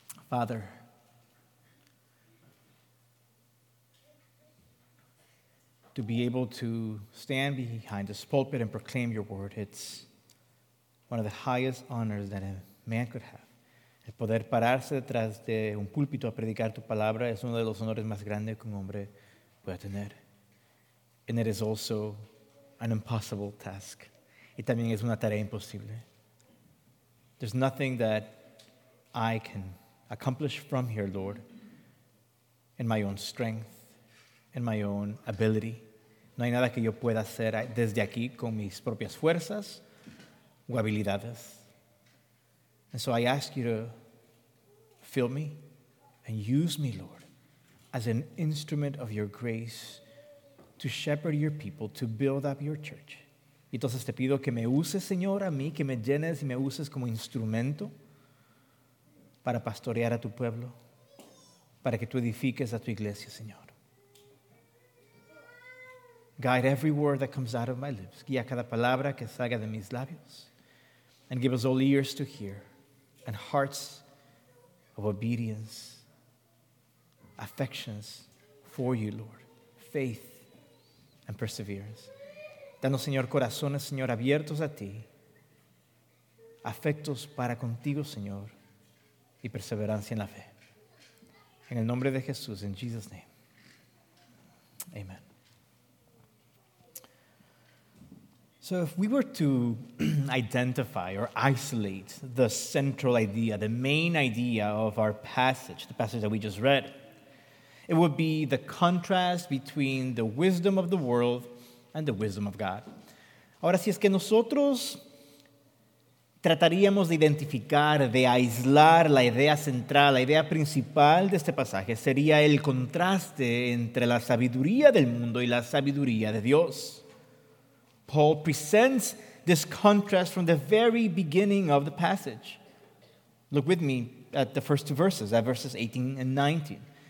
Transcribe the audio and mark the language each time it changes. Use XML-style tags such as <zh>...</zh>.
<en>Father, to be able to stand behind this pulpit and proclaim your word, it's one of the highest honors that a man could have.</en> <es>El poder pararse detrás de un púlpito a predicar tu palabra es uno de los honores más grandes que un hombre pueda tener.</es> <en>And it is also an impossible task.</en> <es>Y también es una tarea imposible.</es> <en>There's nothing that I can accomplish from here, Lord, in my own strength, in my own ability.</en> <es>No hay nada que yo pueda hacer desde aquí con mis propias fuerzas o habilidades.</es> <en>And so I ask you to fill me and use me, Lord, as an instrument of your grace to shepherd your people, to build up your church.</en> <es>Y entonces te pido que me uses, Señor, a mí, que me llenes y me uses como instrumento para pastorear a tu pueblo, para que tú edifiques a tu iglesia, Señor.</es> <en>Guide every word that comes out of my lips.</en> <es>Guía cada palabra que salga de mis labios.</es> <en>And give us all ears to hear and hearts of obedience, affections for you, Lord, faith and perseverance.</en> <es>Danos, Señor, corazones, Señor, abiertos a ti, afectos para contigo, Señor, y perseverancia en la fe. En el nombre de Jesús,</es> <en>in Jesus' name. Amen. So if we were to identify or isolate the central idea, the main idea of our passage, the passage that we just read, it would be the contrast between the wisdom of the world and the wisdom of God.</en> <es>Ahora, si es que nosotros trataríamos de identificar, de aislar la idea central, la idea principal de este pasaje, sería el contraste entre la sabiduría del mundo y la sabiduría de Dios.</es> <en>Paul presents this contrast from the very beginning of the passage. Look with me at the first two verses, at verses 18 and 19.</en>